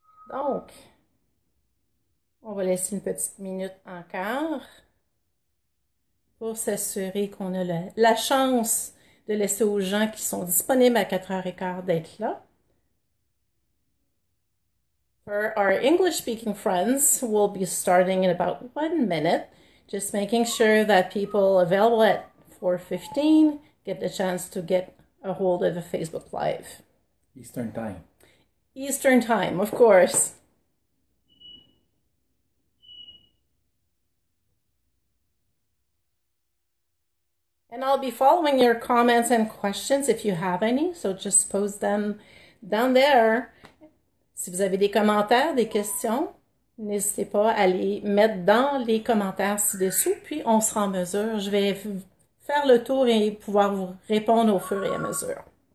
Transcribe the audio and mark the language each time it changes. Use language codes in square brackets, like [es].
[fr] Donc, on va laisser une petite minute encore pour s'assurer qu'on a la chance de laisser aux gens qui sont disponibles à 4h15 d'être là. [en] For our English-speaking friends, we'll be starting in about 1 minute, just making sure that people available at 4:15 get the chance to get a hold of the Facebook Live. Eastern time. Eastern time, of course. And I'll be following your comments and questions if you have any, so just post them down there. [fr] Si vous avez des commentaires, des questions, n'hésitez pas à les mettre dans les commentaires ci-dessous, puis on sera en mesure. Je vais faire le tour et pouvoir vous répondre au fur et à mesure.